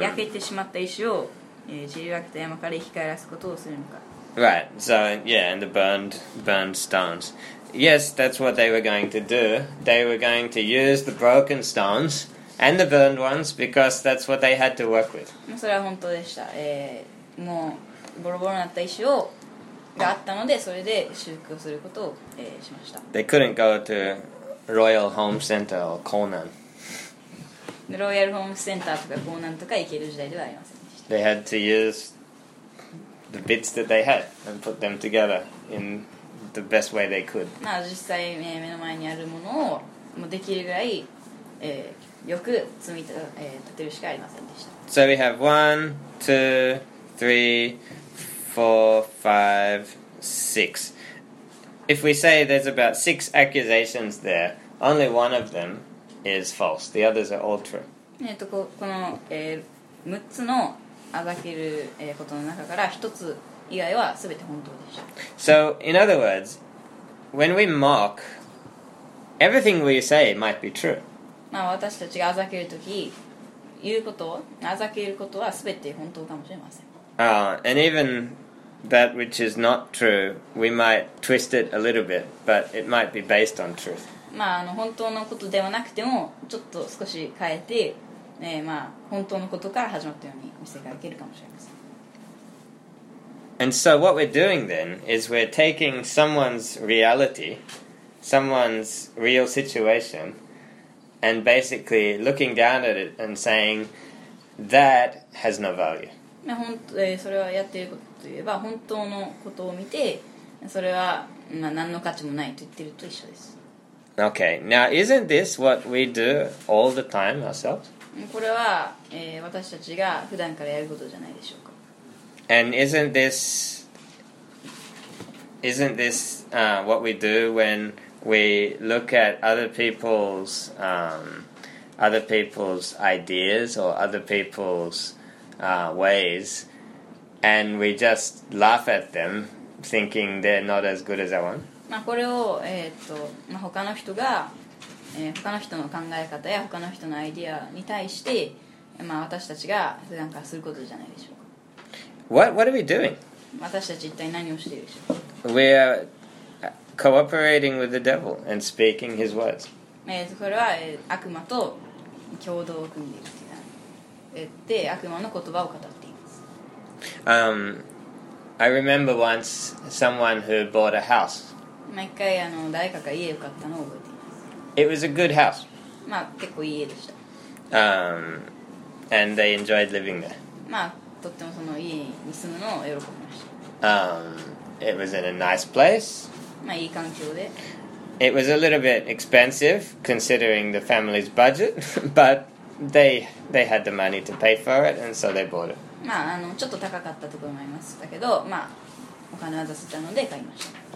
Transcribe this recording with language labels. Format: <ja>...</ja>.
<ja>焼けてしまった石を、散り分けた山から引き返すことをするのか。</ja> <en>Right, so yeah, and the burned stones. Yes, that's what they were going to do. They were going to use the broken stones and the burned ones because that's what they had to work with.</en> <ja>それは本当でした。もうボロボロになった石をがあったので、それで修復をすることを、しました。</ja> <en>They couldn't go to Royal Home Center or Conan.</en> <ja>Royal Home Center とかコーナンとか行ける時代ではありませんでした。</ja> <en>They had to use the bits that they had and put them together in the best way they could.</en> <ja>まあ実際目の前にあるものをもうできるぐらい、よく積み立てるしかありませんでした。</ja> <en>So we have 1, 2, 3, 4, 5, 6. If we say there's about 6 accusations there, only one of them is false. The others are all true.</en> <ja>この、6つのあざける、ことの中から1つ以外は全て本当でした。</ja> <en>So, in other words, when we mock, everything we say might be true.</en> <ja>まあ私たちがあざけるとき、言うこと、あざけることは全て本当かもしれません。</ja> <en>And even that which is not true, we might twist it a little bit, but it might be based on truth.</en> <ja>まあ、本当のことではなくても、ちょっと少し変えて、まあ、本当のことから始まったように見せかけるかもしれません。</ja> <en>And so what we're doing then is we're taking someone's reality, someone's real situation, and basically looking down at it and saying, that has no value.</en> <ja>それはやっていることといえば本当のことを見てそれは何の価値もないと言っていると一緒です。</ja> <en>Okay, now isn't this what we do all the time ourselves?</en> <ja>これは、私たちが普段からやることじゃないでしょうか。</ja> <en>And isn't this what we do when we look at other people's ideas or other people'sways, and we just laugh at them, thinking they're not as good as our own.</en> <ja>まあこれを他の人が、他の人の考え方や他の人のアイディアに対して、まあ私たちが普段からすることじゃないでしょうか。</ja> <en>What are we doing?</en> <ja>私たち一体何をしているでしょうか。</ja> <en>We are cooperating with the devil and speaking his words.</en> <ja>これは、悪魔と共同を組んでいる。で、悪魔の言葉を語っています。</ja> <en>I remember once someone who bought a house.</en> <ja>毎回誰かが家を買ったのを覚えています。</ja> <en>It was a good house.</en> <ja>まあ、結構いい家でした。</ja> <en>And they enjoyed living there.</en> <ja>まあ、とってもその家に住むのを喜びました。</ja> <en>It was in a nice place.</en> <ja>まあ、いい環境で。</ja> <en>It was a little bit expensive considering the family's budget, but They had the money to pay for it, and so they bought it.</en> <ja>まあちょっと高かったところもありましたけど、まあお金は出せたので買いました。</ja>